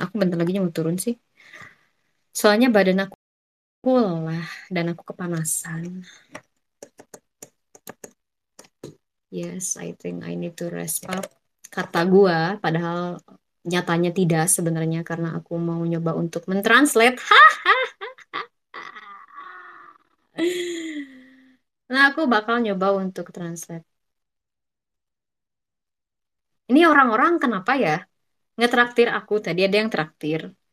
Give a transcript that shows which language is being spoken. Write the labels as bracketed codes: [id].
[id] Aku bentar lagi mau turun sih. Soalnya badan aku lelah dan aku kepanasan. [en] Yes, I think I need to rest up. [id] Kata gua, padahal nyatanya tidak sebenarnya karena aku mau nyoba untuk mentranslate. Karena aku bakal nyoba untuk translate. Ini orang-orang kenapa ya? Ngetraktir aku tadi, ada yang traktir.